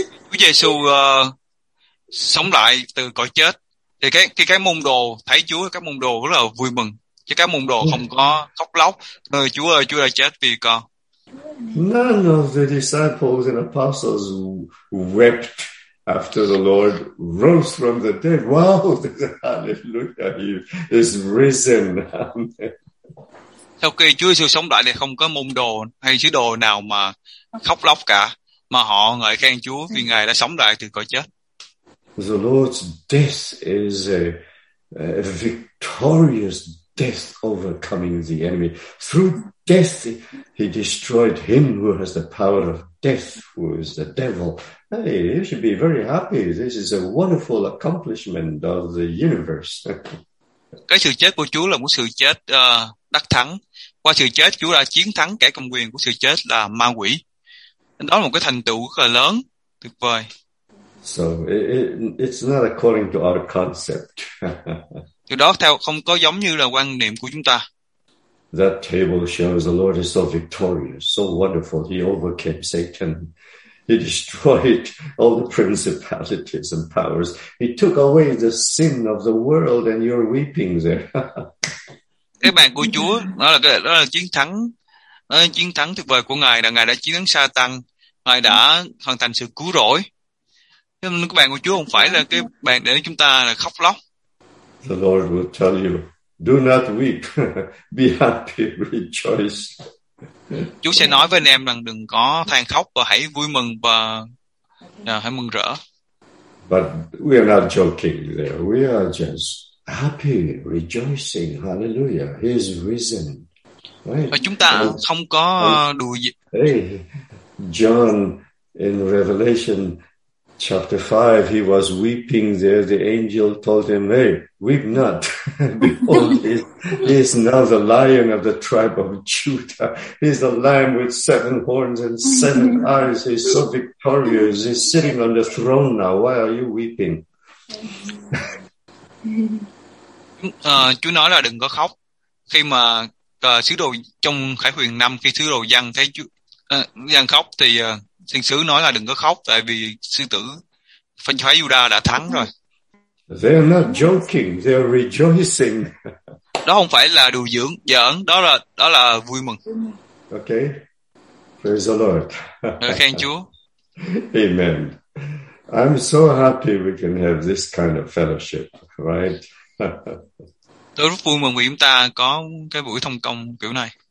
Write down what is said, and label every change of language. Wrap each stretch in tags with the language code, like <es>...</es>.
<vi>Chúa Giêsu sống lại từ cõi chết, thì cái môn đồ thấy Chúa, các môn đồ rất là vui mừng, chứ các môn đồ không có khóc lóc, người Chúa ơi, Chúa đã chết vì con.</vi> <en>None of the disciples and apostles wept after the Lord rose from the dead. Wow, hallelujah, he is risen.</en> <vi>Sau khi Chúa Giêsu sống lại thì không có môn đồ hay sứ đồ nào mà khóc lóc cả, mà họ ngợi khen Chúa vì Ngài đã sống lại từ cõi chết.</vi> <en>The Lord's death is a victorious death overcoming the enemy. Through death, he destroyed him who has the power of death, who is the devil. Hey, you should be very happy. This is a wonderful accomplishment of the universe.</en> <vi>Cái sự chết của Chúa là một sự chết đắc thắng. Qua sự chết, Chúa đã chiến thắng kẻ cầm quyền của sự chết là ma quỷ. Đó là một cái thành tựu rất là lớn, tuyệt vời.</vi> <en>So it's not according to our concept.</en> <vi>Điều đó theo không có giống như là quan niệm của chúng ta.</vi> <en>That table shows the Lord is so victorious, so wonderful. He overcame Satan. He destroyed all the principalities and powers. He took away the sin of the world, and you're weeping there.</en> <vi>Cái bàn của Chúa, đó là chiến thắng. Đó là chiến thắng tuyệt vời của Ngài, là Ngài đã chiến thắng Satan, Ngài đã hoàn thành sự cứu rỗi. Cái bàn của Chúa không phải là cái bàn để chúng ta là khóc lóc.</vi> <en>The Lord will tell you, do not weep, be happy, rejoice.</en> <vi>Chúa sẽ nói với anh em rằng đừng có than khóc và hãy vui mừng và hãy mừng rỡ.</vi> <en>But we are not joking there. We are just happy, rejoicing, hallelujah. He is risen.</en> <vi>Right. Và chúng ta không có đùa gì.</vi> <en>Hey, John in Revelation chapter 5, he was weeping there. The angel told him, "Hey, weep not. Behold, he is now the lion of the tribe of Judah. He's the lamb with seven horns and seven eyes. He's so victorious. He's sitting on the throne now. Why are you weeping?"</en> <vi>Chúa nói là đừng có khóc. Khi mà sứ đồ trong Khải Huyền 5, khi sứ đồ Giăng thấy Chúa Giăng khóc thì thiên sứ nói là đừng có khóc, tại vì sư tử phân phái Judah đã thắng rồi.</vi> <en>They're not joking, they're rejoicing.</en> <vi>Đó không phải là đùa dưỡng giỡn, đó là vui mừng.</vi> <en>Okay, praise the Lord.</en> <vi>Khen Chúa.</vi> <en>Amen. I'm so happy we can have this kind of fellowship, right?</en> <vi>Tôi rất vui mừng vì chúng ta có cái buổi thông công kiểu này.</vi>